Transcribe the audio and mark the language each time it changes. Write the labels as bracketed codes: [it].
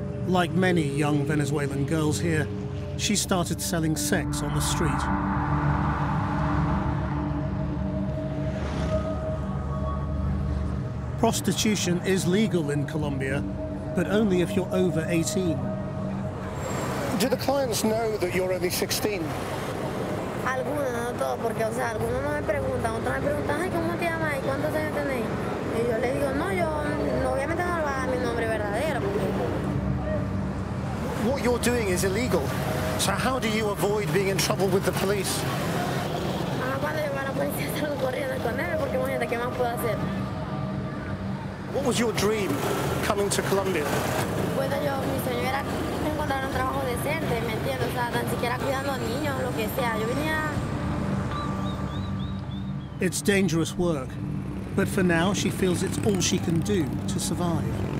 [en] Like many young Venezuelan girls here, she started selling sex on the street. Prostitution is legal in Colombia, but only if you're over 18. Do the clients know that you're only 16? [es] Algunos, no todos, porque, o sea, algunos no me preguntan, otros me preguntan, ay, ¿cómo te llamas? ¿Cuántos años tenéis? Y yo les digo, no, yo obviamente no voy a dar mi nombre verdadero. [en] What you're doing is illegal. So how do you avoid being in trouble with the police? [es] Cuando llamo a la policía, salgo corriendo con él, porque imagínate, ¿qué más puedo hacer? [en] What was your dream coming to Colombia? [es] Bueno, yo mi sueño era encontrar un trabajo decente, ¿me entiendes? O sea, tan siquiera cuidando a niños, lo que sea. Yo venía. [en] It's dangerous work, but for now she feels it's all she can do to survive.